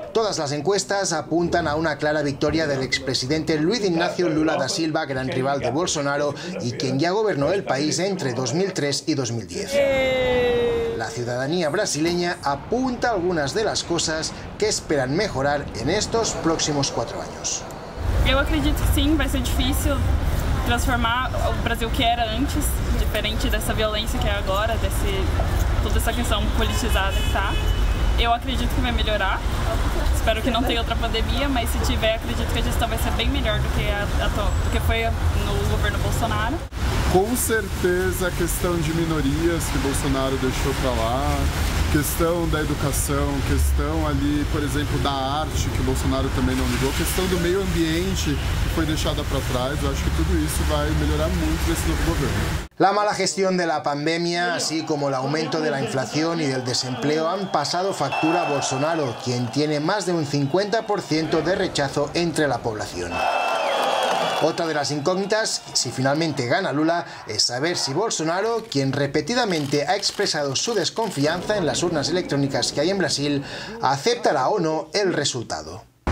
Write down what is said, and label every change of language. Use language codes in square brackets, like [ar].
[es] Todas las encuestas apuntan a una clara victoria del expresidente Luis Ignacio Lula da Silva, gran rival de Bolsonaro y quien ya gobernó el país entre 2003 y 2010. La ciudadanía brasileña apunta algunas de las cosas que esperan mejorar en estos próximos 4 años. [pt] Eu acredito que sim, vai ser difícil transformar o Brasil que era antes, diferente dessa violência que é agora, toda essa questão politizada que está. Eu acredito que vai melhorar. Espero que não tenha outra pandemia, mas se tiver, acredito que a gestão vai ser bem melhor do que do que foi no governo Bolsonaro. Com certeza a questão de minorias que Bolsonaro deixou para lá, questão da educação, questão ali, por exemplo, da arte, que Bolsonaro também não ligou, questão do meio ambiente, que foi deixada para trás, eu acho que tudo isso vai melhorar muito nesse novo governo. [es] La mala gestión de la pandemia, así como el aumento de la inflación y del desempleo, han pasado factura a Bolsonaro, quien tiene más de un 50% de rechazo entre la población. Otra de las incógnitas, si finalmente gana Lula, es saber si Bolsonaro, quien repetidamente ha expresado su desconfianza en las urnas electrónicas que hay en Brasil, aceptará o no el resultado.